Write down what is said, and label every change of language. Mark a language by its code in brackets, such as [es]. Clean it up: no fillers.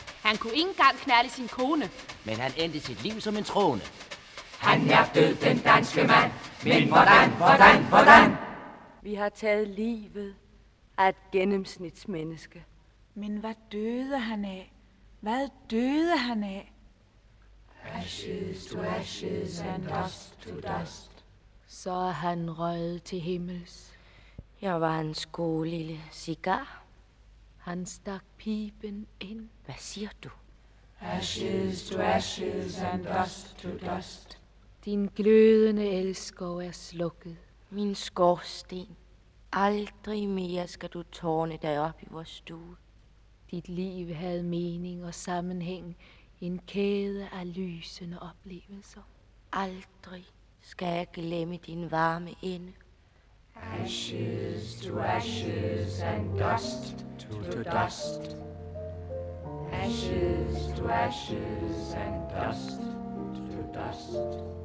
[da] Han kunne ikke engang knalde sin kone. Men han endte sit liv som en trone. Han er død, den danske mand. Men hvordan, hvordan, hvordan? Vi har taget livet af et gennemsnitsmenneske. Men hvad døde han af? Hvad døde han af? [en] Ashes to ashes and dust to dust. [da] Så er han røget til himmels. Jeg var hans gode lille cigar. Han stak pipen ind. Hvad siger du? [en] Ashes to ashes and dust to dust. [da] Din glødende elskov er slukket. Min skorsten, aldrig mere skal du tårne dig op i vores stue. Dit liv havde mening og sammenhæng, en kæde af lysende oplevelser. Aldrig skal jeg glemme din varme ende. [en] Ashes to ashes and dust to dust. Ashes to ashes and dust to dust.